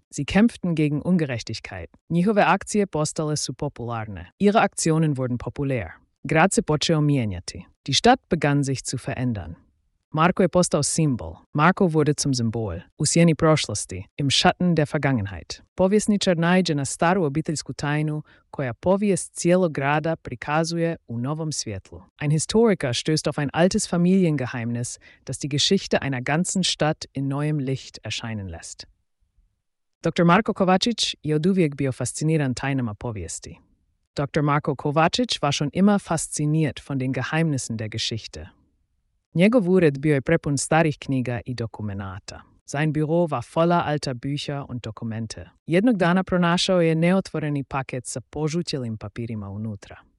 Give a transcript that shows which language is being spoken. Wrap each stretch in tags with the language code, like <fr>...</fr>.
<de>Sie kämpften gegen Ungerechtigkeit.</de> <hr>Njihove akcije postale su popularne.</hr> <de>Ihre Aktionen wurden populär.</de> <hr>Grad se počeo mijenjati.</hr> <de>Die Stadt begann sich zu verändern.</de> <hr>Marko je postao simbol.</hr> <de>Marko wurde zum Symbol.</de> <hr>U sjeni prošlosti.</hr> <de>Im Schatten der Vergangenheit.</de> <hr>Povjesničar naiđe na staru obiteljsku tajnu koja povijest cijelog grada prikazuje u novom svjetlu.</hr> <de>Ein Historiker stößt auf ein altes Familiengeheimnis, das die Geschichte einer ganzen Stadt in neuem Licht erscheinen lässt.</de> <hr>Dr. Marko Kovačić je oduvijek bio fasciniran tajnama povijesti.</hr> <de>Dr. Marko Kovačić war schon immer fasziniert von den Geheimnissen der Geschichte.</de> <hr>Njegov ured bio je prepun starih knjiga i dokumenata.</hr> <de>Sein Büro war voller alter Bücher und Dokumente.</de> <hr>Jednog dana pronašao je neotvoreni paket sa požutjelim papirima unutra.</hr>